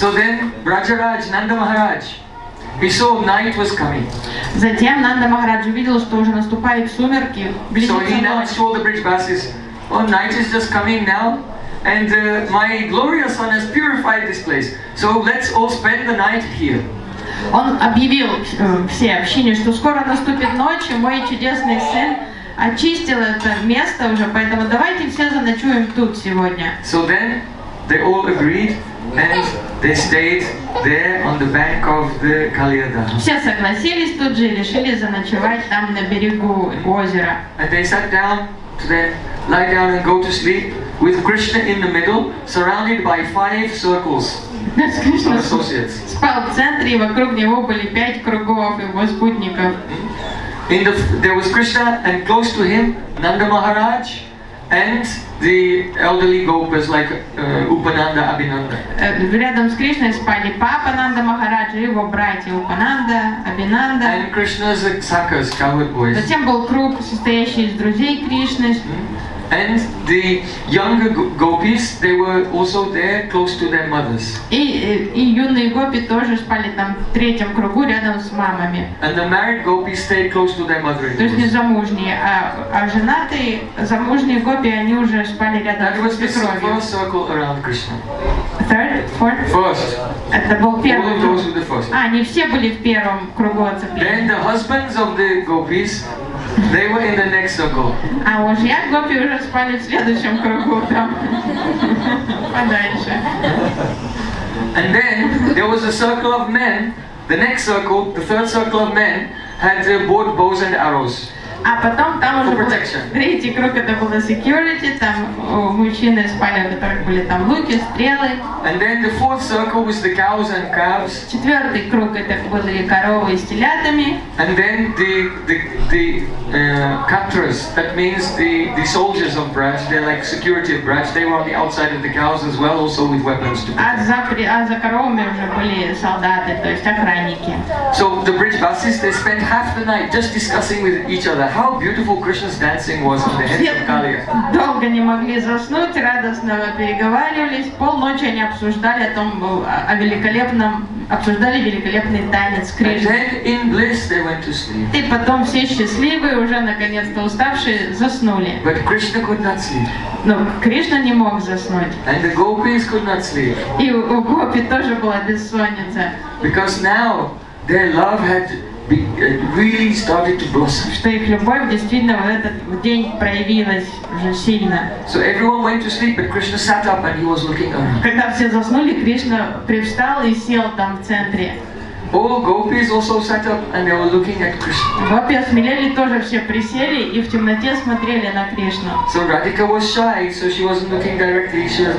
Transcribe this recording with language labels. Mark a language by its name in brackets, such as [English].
[English] So then, Brajaraj, Nanda Maharaj, he saw night was coming. [Russian] Затем Нанда Махарадж увидел, что уже наступают сумерки, близится ночь. [English] So he announced to all the bridge passes, "Oh, night is just coming now, and my glorious sun has purified this place. So let's all spend the night here." [Russian] Он объявил всей общине, что скоро наступит ночь, и мой чудесный сын очистил это место уже, поэтому давайте все заночуем тут сегодня. [English] So then they all agreed and they stayed there on the bank of the Kaliyada. [Russian] Все согласились тут же и решили заночевать там на берегу озера. [English] And they sat down to then lie down and go to sleep with Krishna in the middle, surrounded by five circles. [Russian] Krishna спал в центре, и вокруг него были пять кругов его спутников. [English] There was Krishna, and close to him, Nanda Maharaj, and the elderly gopas like Upananda, Abhinanda. [Russian] Рядом с Кришной спали папа Нанда Махарадж и его братья Упананда, Абинанда. [English] And Krishna's sakas, cowherd boys. [Russian] Затем был круг, состоящий из друзей Кришны. [English] And the younger gopis, they were also there, close to their mothers. [Russian] И юные гопи тоже спали там в третьем кругу рядом с мамами. [English] And the married gopis stayed close to their mother-in-laws. [Russian] То есть не замужние, а женатые, замужние гопи, они уже спали рядом с сестрой. [English] That was the first circle around Krishna. Third, fourth. First. [Russian] Это был первый. [English] All of those were the first. [Russian] Они все были в первом кругу оцепления. [English] Then the husbands of the gopis, they were in the next circle. [Russian] А уж я гопи уже спали в следующем кругу там. Подальше. [English] And then there was a circle of men. The next circle, the third circle of men, had both bows and arrows. [Russian] А потом там уже [English] protection. [Russian] Третий круг это было security. Там мужчины спали, у которых были там луки, стрелы. [English] And then the fourth circle was the cows and calves. [Russian] Четвертый круг это были коровы с телятами. [English] And then the katras, that means the soldiers of Braj, they're like security of Braj. They were on the outside of the cows as well, also with weapons to protect. [Russian] А за коровами уже были солдаты, то есть охранники. [English] So the bridge buses, they spent half the night just discussing with each other how beautiful Krishna's dancing was in the heads of Kali. [Russian] Долго не могли заснуть, радостно переговаривались, полночи они обсуждали о том, о великолепном, обсуждали великолепный танец Кришны. [English] And then in bliss they went to sleep. [Russian] И потом все счастливые, уже наконец-то уставшие, заснули. [English] But Krishna could not sleep. [Russian] Но Кришна не мог заснуть. [English] And the gopis could not sleep. [Russian] И у гопи тоже была бессонница. [English] Because now their love had really started to blossom. [Russian] Что их любовь действительно в этот день проявилась уже сильно. [English] So everyone went to sleep, but Krishna sat up and he was looking around. [Russian] Когда все заснули, Кришна привстал и сел там в центре. [English] All gopis also sat up and they were looking at Krishna. [Russian] Гопи осмелели, тоже все присели и в темноте смотрели на Кришну. [English] So Radhika was shy, so she wasn't looking directly.